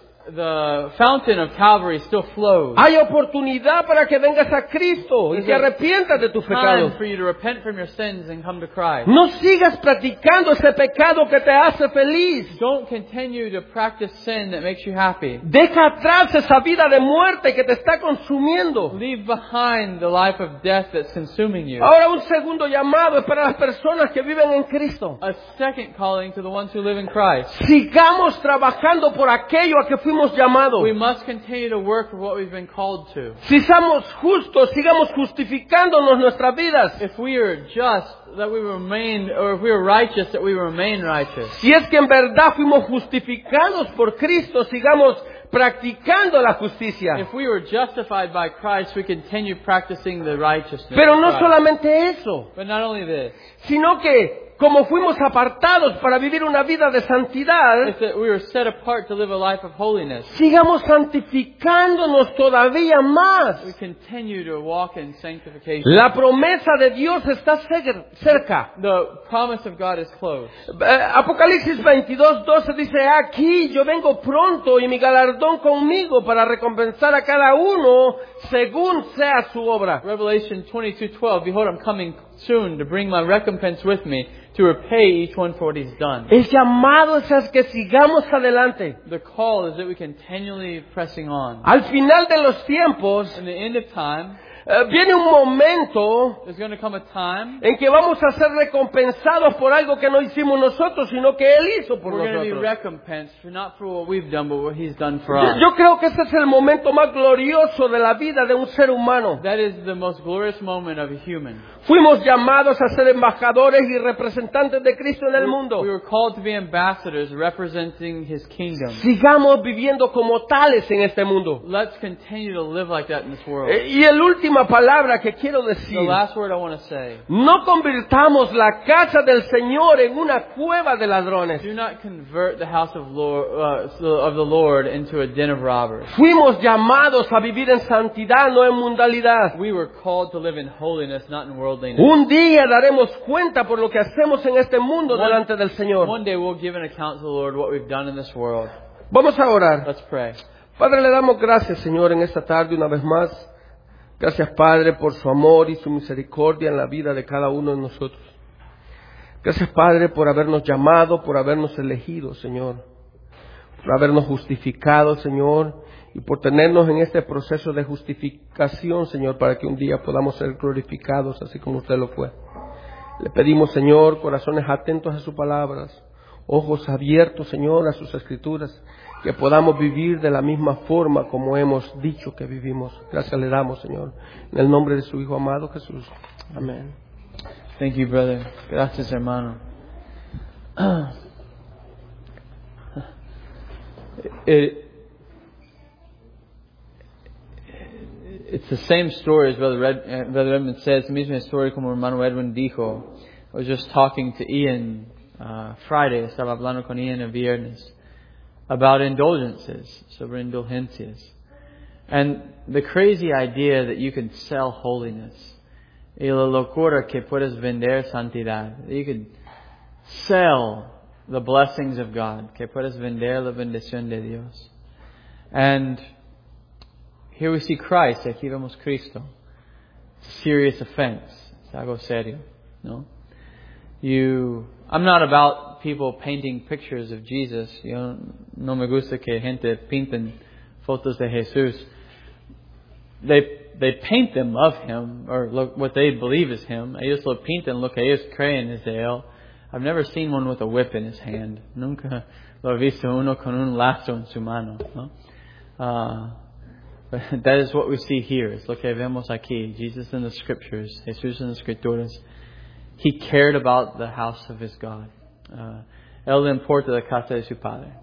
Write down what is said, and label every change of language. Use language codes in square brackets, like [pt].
[en] The fountain of Calvary still flows. [es] Hay oportunidad para que vengas a Cristo y te arrepientas de tus pecados. [en] For you to repent from your sins and come to Christ. [es] No sigas practicando ese pecado que te hace feliz. [en] Don't continue to practice sin that makes you happy. [es] Deja atrás esa vida de muerte que te está consumiendo. [en] Leave behind the life of death that's consuming you. [es] Ahora un segundo llamado es para las personas que viven en Cristo. [en] A second calling to the ones who live in Christ. [es] Sigamos trabajando por aquello a que fuimos llamados. [en] We must continue to work for what we've been called to. [es] Si somos justos, sigamos justificándonos nuestras vidas. [en] If we are just, that we remain, or if we are righteous, that we remain righteous. [es] Si es que en verdad fuimos justificados por Cristo, sigamos practicando la justicia. [en] If we were justified by Christ, we continue practicing the righteousness. [es] Pero no solamente eso. [en] But not only this. [es] Sino que como fuimos apartados para vivir una vida de santidad, [en] we were set apart to live a life of holiness, [es] sigamos santificándonos todavía más. [en] We continue to walk in sanctification. [es] La promesa de Dios está cerca. [en] The promise of God is close. [es] Apocalipsis 22:12 dice, aquí yo vengo pronto y mi galardón conmigo para recompensar a cada uno según sea su obra. [en] Revelation 22:12, behold, I'm coming soon to bring my recompense with me to repay each one for what he's done. [es] El llamado es a que sigamos adelante. [en] The call is that we continually pressing on. [es] Al final de los tiempos, [en] in the end of time, [es] viene un momento, [en] there's going to come a time, [es] en que vamos a ser recompensados por algo que no hicimos nosotros, sino que él hizo por [en] we're [es] nosotros. [en] We're going to be recompensed for not for what we've done, but what he's done for us. [es] Yo creo que ese es el momento más glorioso de la vida de un ser humano. [en] That is the most glorious moment of a human. [es] Fuimos llamados a ser embajadores y representantes de Cristo en el mundo. [en] We were called to be ambassadors representing his kingdom. [es] Sigamos viviendo como tales en este mundo. [en] Let's continue to live like that in this world. [es] Y la última palabra que quiero decir. [en] The last word I want to say. [es] No convirtamos la casa del Señor en una cueva de ladrones. [en] Do not convert the house of the Lord into a den of robbers. [es] Fuimos llamados a vivir en santidad, no en mundanalidad. [en] We were called to live in holiness, not in worldliness. [es] Un día daremos cuenta por lo que hacemos en este mundo delante del Señor. [en] One day we'll give an account to the Lord what we've done in this world. [es] Vamos a orar. [en] Let's pray. [es] Padre, le damos gracias, Señor, en esta tarde una vez más. Gracias, Padre, por su amor y su misericordia en la vida de cada uno de nosotros. Gracias, Padre, por habernos llamado, por habernos elegido, Señor. por habernos justificado, Señor, y por tenernos en este proceso de justificación, Señor, para que un día podamos ser glorificados así como usted lo fue. Le pedimos, Señor, corazones atentos a sus palabras, ojos abiertos, Señor, a sus escrituras, que podamos vivir de la misma forma como hemos dicho que vivimos. Gracias le damos, Señor, en el nombre de su Hijo amado Jesús. Amén. [en] Thank you, brother. [es] Gracias, hermano. [en] It's the same story as Brother Edwin says. [es] Misma historia como hermano Edwin dijo. [en] I was just talking to Ian Friday. [es] Estaba hablando con Ian el viernes [en] about indulgences, [es] sobre indulgencias, [en] and the crazy idea that you can sell holiness. [es] Y la locura que puedes vender santidad. [en] You could sell the blessings of God. [es] Que puedes vender la bendición de Dios. [en] And here we see Christ. [es] Aquí vemos Cristo. [en] Serious offense. [es] Es algo serio. [en] No? I'm not about people painting pictures of Jesus. [es] Yo no me gusta que gente pinten fotos de Jesús. [en] They paint them of him, or look, what they believe is him. [es] Ellos lo pintan lo que ellos creen es de él. [en] I've never seen one with a whip in his hand. [es] Nunca lo he visto uno con un lazo en su mano. No? [en] But that is what we see here. [es] Es lo que vemos aquí. [en] Jesus in the scriptures. Jesús in the [es] escrituras. [en] He cared about the house of his God. [es] Él importa la casa de su padre.